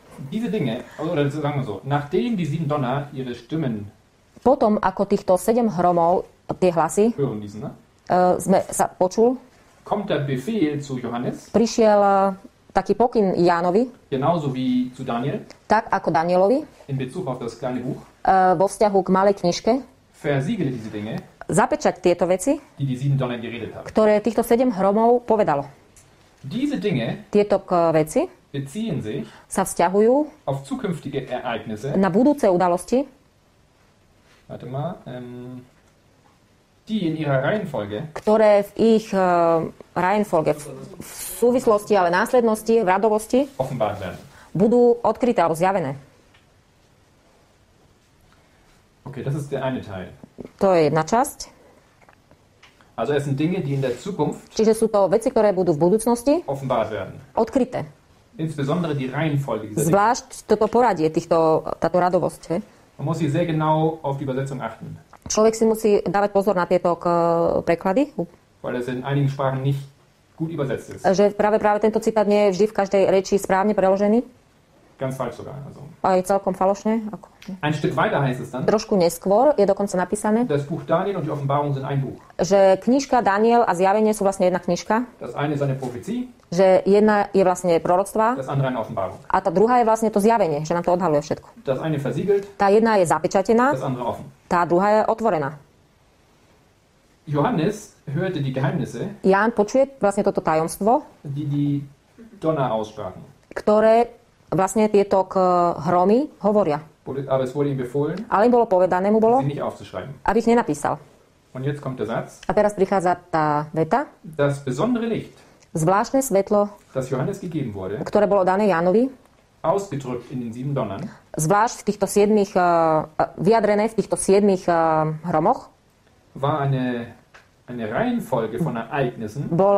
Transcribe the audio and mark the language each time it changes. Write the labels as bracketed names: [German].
[German] Diese Dinge, oder sagen wir so, nachdem die sieben Donner ihre Stimmen... [Slovak] Potom, ako týchto sedem hromov, tie hlasy, sme sa počul, [German] kommt der Befehl zu Johannes, [Slovak] prišiel taký pokyn Jánovi, [German] genauso wie zu Daniel, [Slovak] tak ako Danielovi, [German] in Bezug auf das kleine Buch, [Slovak] vo vzťahu k malej knižke, [German] versiegle diese Dinge, [Slovak] zapečať tieto veci, [German] die sieben Donner geredet haben, [Slovak] ktoré týchto sedem hromov povedalo. [German] Diese Dinge, [Slovak] tieto veci, [German] beziehen sich, [Slovak] sa vzťahujú [German] auf zukünftige Ereignisse, [Slovak] na budúce udalosti, [German] warte mal, die in ihrer Reihenfolge, [Slovak] ktoré v ich Reihenfolge, v súvislosti, ale následnosti, v radovosti, [German] offenbart werden, [Slovak] budú odkryté alebo zjavené. [German] Okay, das ist der eine Teil. [Slovak] To je jedna časť. [German] Also es sind Dinge, die in der Zukunft, [Slovak] čiže sú to veci, ktoré budú v budúcnosti, [German] offenbart werden, [Slovak] odkryté. [German] Insbesondere die Reihenfolge. [Slovak] Zvlášť toto poradie, táto radovosť. [German] Man muss hier sehr genau auf die Übersetzung achten. [Slovak] Človek si musí dávať pozor na tieto preklady. [German] Weil es in einigen Sprachen nicht gut übersetzt ist. [Slovak] Že práve tento citát nie je vždy v každej reči správne preložený. [German] Ganz falsch sogar. Also. [Slovak] Aj celkom falošne. Ako... [German] Ein Stück weiter heißt es dann. [Slovak] Trošku neskôr je dokonca napísané. [German] Das Buch Daniel und die Offenbarung sind ein Buch. [Slovak] Že knižka Daniel a Zjavenie sú vlastne jedna knižka. [German] Das eine ist eine Prophezie. [Slovak] Že jedna je vlastne proroctva. [German] Das andere eine Offenbarung. [Slovak] A tá druhá je vlastne to Zjavenie, že nám to odhaluje všetko. [German] Das eine versiegelt. [Slovak] Tá jedna je zapečatená. [German] Das andere offen. [Slovak] Tá druhá je otvorená. [German] Johannes hörte die Geheimnisse. [Slovak] Ján počuje vlastne toto tajomstvo. [German] Die Donner aussprachen. [Slovak] Ktoré vlastne tieto hromy hovoria. Ale im bolo povedané, mu bolo, aby ich nenapísal. [German] Und jetzt kommt der Satz, [Slovak] a teraz prichádza tá veta. [German] Das besondere Licht, [Slovak] zvláštne svetlo, [German] das Johannes gegeben wurde, [Slovak] ktoré bolo dané Jánovi, [German] ausgedrückt in den sieben Donnern, [Slovak] zvlášť v týchto siedmých, vyjadrené v týchto siedmých hromoch, [German] war eine Reihenfolge von Ereignissen,